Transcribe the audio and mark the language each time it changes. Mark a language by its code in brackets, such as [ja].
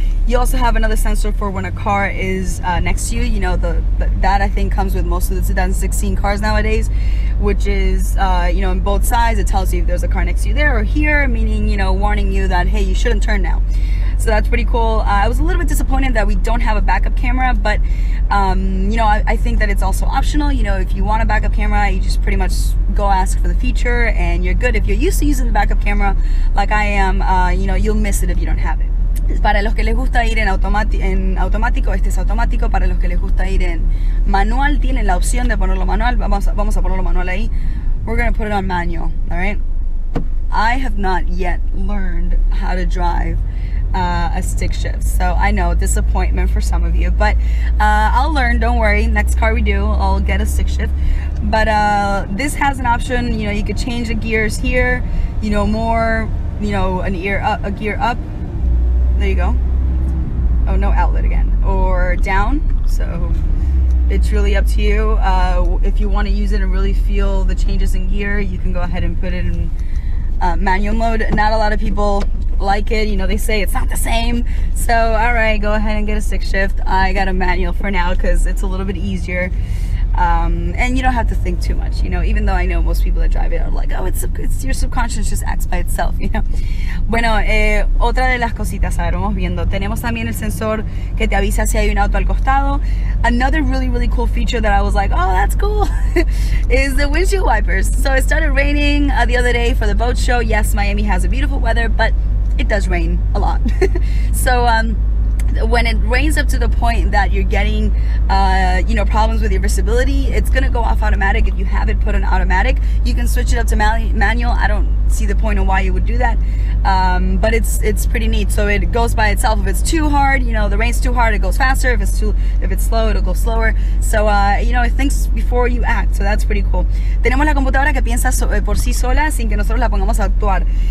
[en] You also have another sensor for when a car is next to you. You know, that I think comes with most of the 2016 cars nowadays, which is, you know, in both sides, it tells you if there's a car next to you there or here, meaning, you know, warning you that, hey, you shouldn't turn now. So that's pretty cool. I was a little bit disappointed that we don't have a backup camera, but, you know, I think that it's also optional. You know, if you want a backup camera, you just pretty much go ask for the feature and you're good. If you're used to using the backup camera like I am, you know, you'll miss it if you don't have it. [es] Para los que les gusta ir en automático, este es automático. Para los que les gusta ir en manual, tienen la opción de ponerlo manual. Vamos a ponerlo manual ahí. [en] We're going to put it on manual, all right? I have not yet learned how to drive a stick shift. So I know, disappointment for some of you. But I'll learn, don't worry. Next car we do, I'll get a stick shift. But this has an option. You know, you could change the gears here. You know, more, you know, a gear up. There you go. Oh, no outlet again. Or down. So it's really up to you. If you want to use it and really feel the changes in gear, you can go ahead and put it in manual mode. Not a lot of people like it. You know, they say it's not the same. So, all right, go ahead and get a stick shift. I got a manual for now because it's a little bit easier. And you don't have to think too much, you know, even though I know most people that drive it are like, oh, it's your subconscious just acts by itself, you know. [es] Bueno, otra de las cositas, a ver, vamos viendo. Tenemos también el sensor que te avisa si hay un auto al costado. [en] Another really, really cool feature that I was like, oh, that's cool, is the windshield wipers. So it started raining the other day for the boat show. Yes, Miami has a beautiful weather, but it does rain a lot. So, when it rains up to the point that you're getting you know, problems with your visibility, it's gonna go off automatic. If you have it put on automatic, you can switch it up to manual. I don't see the point of why you would do that, but it's pretty neat. So it goes by itself. If it's too hard, you know, the rain's too hard, it goes faster. If it's slow, it'll go slower. So you know, it thinks before you act, so that's pretty cool. [es] Tenemos la computadora que piensa por sí sola sin que nosotros la pongamos a actuar.